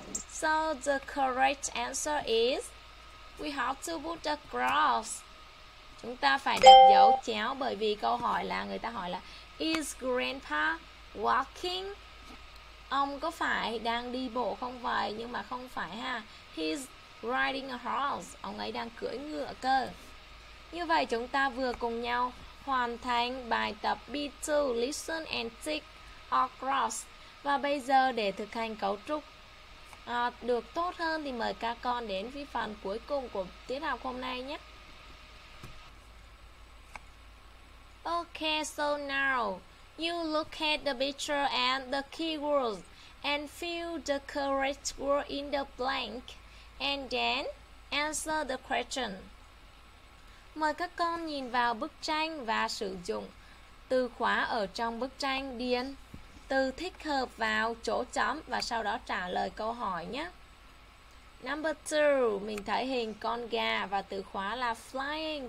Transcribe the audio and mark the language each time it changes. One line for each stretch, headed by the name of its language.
English: So the correct answer is we have to put the cross.
Vietnamese: Chúng ta phải đặt dấu chéo bởi vì câu hỏi là người ta hỏi là
English: is grandpa walking?
Vietnamese: Ông có phải đang đi bộ không vậy? Nhưng mà không phải ha.
English: He's riding a horse.
Vietnamese: Ông ấy đang cưỡi ngựa cơ. Như vậy chúng ta vừa cùng nhau hoàn thành bài tập B2
English: listen and tick or cross.
Vietnamese: Và bây giờ để thực hành cấu trúc được tốt hơn thì mời các con đến với phần cuối cùng của tiết học hôm nay nhé.
English: Okay, so now you look at the picture and the keywords and fill the correct word in the blank and then answer the question.
Vietnamese: Mời các con nhìn vào bức tranh và sử dụng từ khóa ở trong bức tranh điền từ thích hợp vào chỗ chấm và sau đó trả lời câu hỏi nhé. Number 2, mình thấy hình con gà và từ khóa là flying.